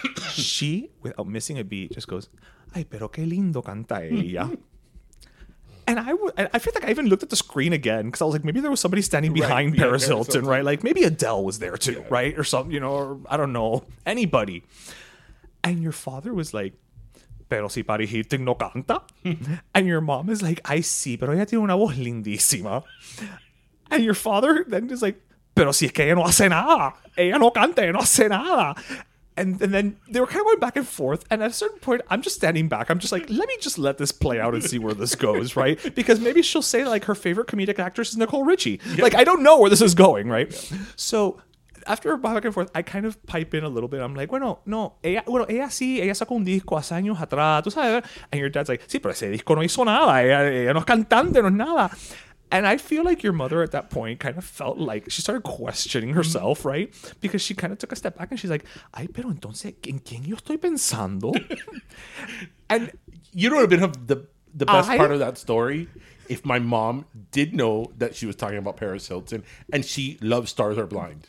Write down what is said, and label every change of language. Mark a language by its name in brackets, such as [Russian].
[English] She, without missing a beat, just goes, [Spanish] ay, pero qué lindo canta ella. [English] And I feel like I even looked at the screen again because I was like, maybe there was somebody standing behind Paris Hilton, right? Like maybe Adele was there too, right? Or something, you know, or I don't know, anybody. And your father was like, [Spanish] pero si Paris Hilton no canta? [English] And your mom is like, [Spanish] ay sí, pero ella tiene una voz lindísima. [English] And your father then is like, [Spanish] pero si es que ella no hace nada. Ella no canta, ella no hace nada. [English] And then they were kind of going back and forth. And at a certain point, I'm just standing back. I'm just like, let me just let this play out and see where this goes, right? Because maybe she'll say, like, her favorite comedic actress is Nicole Richie. Yeah. Like, I don't know where this is going, right? Yeah. So after back and forth, I kind of pipe in a little bit. I'm like, [Spanish] bueno, no, ella, bueno, ella sí, ella sacó un disco hace años atrás, tú sabes. [English] And your dad's like, [Spanish] sí, pero ese disco no hizo nada. Ella no es cantante, no es nada. [English] And I feel like your mother at that point kind of felt like she started questioning herself, right? Because she kind of took a step back and she's like, [Spanish] ay, pero entonces, ¿en quién yo estoy pensando? [English] And you know what would have been the best part of that story? If my mom did know that she was talking about Paris Hilton and she loves Stars Are Blind.